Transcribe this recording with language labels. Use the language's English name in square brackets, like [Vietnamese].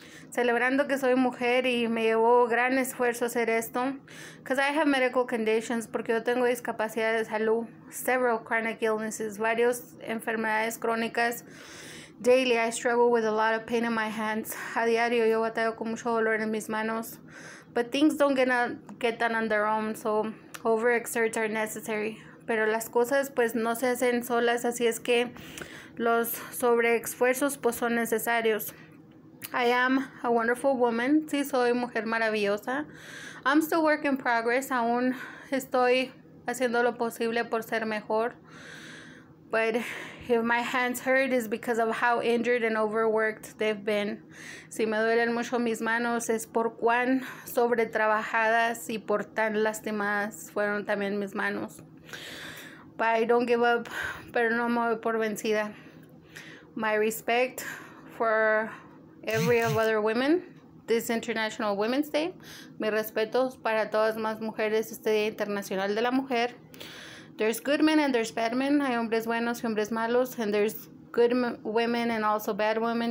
[Spanish] Celebrando que soy mujer y me llevó gran esfuerzo hacer esto. [English] Because I have medical conditions, [Spanish] porque yo tengo discapacidad de salud. [English] Several chronic illnesses, [Spanish] varios enfermedades crónicas. [English] Daily, I struggle with a lot of pain in my hands. [Spanish] A diario, yo batallo con mucho dolor en mis manos. [English] But things don't get done on their own, so overexerts are necessary. [Spanish] Pero las cosas pues no se hacen solas, así es que los sobreesfuerzos pues son necesarios. [English] I am a wonderful woman. [Spanish] Sí, soy mujer maravillosa. [English] I'm still work in progress. [Spanish] Aún estoy haciendo lo posible por ser mejor. [English] But if my hands hurt, it's because of how injured and overworked they've been. [Spanish] Si me duelen mucho mis manos, es por cuán sobretrabajadas y por tan lastimadas fueron también mis manos. [English] But I don't give up, [Spanish] pero no me voy por vencida. [English] My respect for every of other women, this International Women's Day. [Spanish] Mi respeto para todas las mujeres este Día Internacional de la Mujer. [English] There's good men and there's bad men. [Spanish] Hay hombres buenos y hombres malos. [English] And there's good women and also bad women.